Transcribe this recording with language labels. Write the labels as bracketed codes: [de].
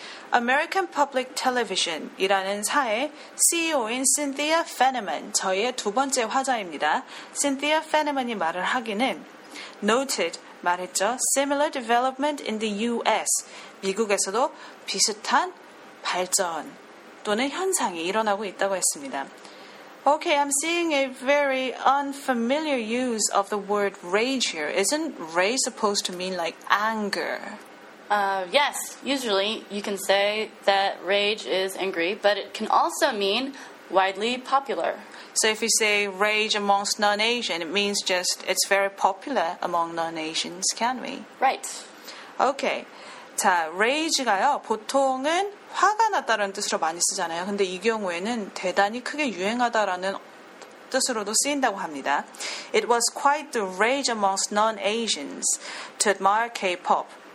[ko] American Public Television이라는 사의 CEO인 Cynthia Fenneman, 저희의 두 번째 화자입니다. Cynthia Fenneman이 말을 하기는 noted, 말했죠. [en] Similar development in the U.S. [ko] 미국에서도 비슷한 발전 또는 현상이 일어나고 있다고 했습니다. [en] Okay, I'm seeing a very unfamiliar use of the word rage here. Isn't rage supposed to mean like anger? Yes, usually you can say that rage is angry, but it can also mean widely popular. So if you say rage amongst non-Asian, it means just it's very popular among non-Asians, can we? Right. Okay. [ko] 자, rage가요, 보통은 화가 났다라는 뜻으로 많이 쓰잖아요. 근데 이 경우에는 대단히 크게 유행하다라는 뜻으로도 쓰인다고 합니다. [en] It was quite the rage amongst non-Asians to admire K-pop.